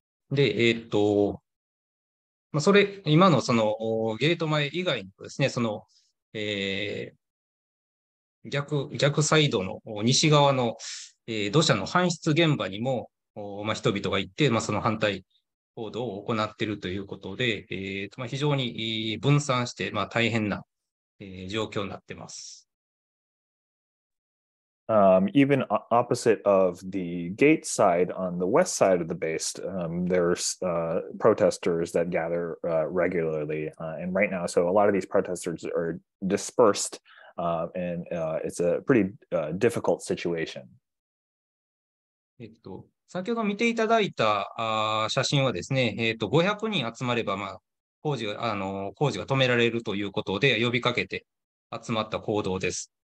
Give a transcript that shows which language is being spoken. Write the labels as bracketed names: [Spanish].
[Japanese] で、まあ、それ、今のそのゲート前以外にですね、その、逆サイドの西側の、土砂の搬出現場にも、まあ、人々が行って、まあ、その反対行動を行っているということで、まあ、非常に分散して、まあ、大変な、状況になってます。 [English] Even opposite of the gate side on the west side of the base, there's protesters that gather regularly. And right now, so a lot of these protesters are dispersed, and it's a pretty difficult situation. [Japanese] 先ほど見ていただいた写真はですね、500人集まれば、まあ、工事が止められるということで呼びかけて集まった行動です。